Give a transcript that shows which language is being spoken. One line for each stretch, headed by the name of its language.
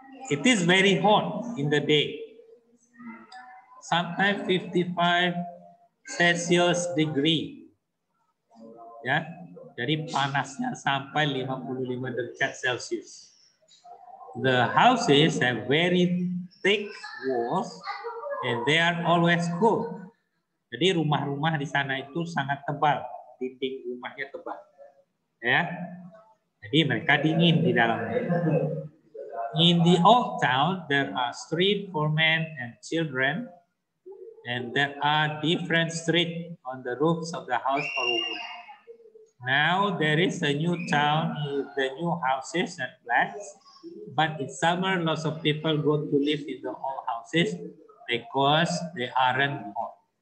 English: It is very hot in the day. Sometimes 55 Celsius degree. Ya. Yeah.
Indonesian: Jadi panasnya sampai 55 derajat Celsius.
English: The houses have very thick walls and they are always cool.
Indonesian: Jadi rumah-rumah di sana itu sangat tebal, dinding rumahnya tebal. Ya. Yeah. Jadi mereka dingin di dalamnya.
English: In the old town, there are streets for men and children, and there are different streets on the roofs of the house for women. Now there is a new town with the new houses and flats, but in summer, lots of people go to live in the old houses because they aren't hot.